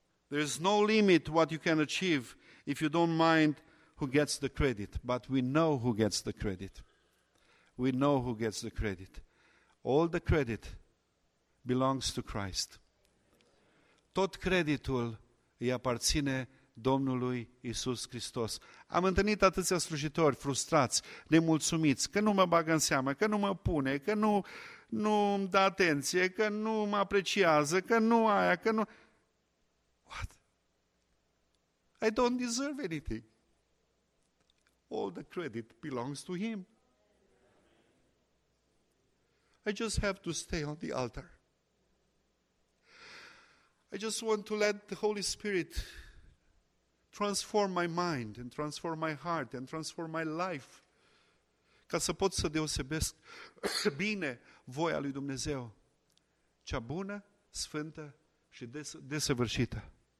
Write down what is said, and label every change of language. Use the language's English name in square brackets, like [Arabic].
[English] There is no limit what you can achieve if you don't mind who gets the credit. But we know who gets the credit. We know who gets the credit. All the credit belongs to Christ. [Romanian] Tot creditul îi aparține Domnului Iisus Hristos. Am întâlnit atâția slujitori frustrați, nemulțumiți, că nu mă bagă în seamă, că nu mă pune, că nu îmi dă atenție, că nu mă apreciază, că nu aia, că nu... [English] What? I don't deserve anything. All the credit belongs to Him. I just have to stay on the altar. I just want to let the Holy Spirit transform my mind and transform my heart and transform my life [Romanian] ca să pot să deosebesc bine voia lui Dumnezeu, cea bună, sfântă și desăvârșită.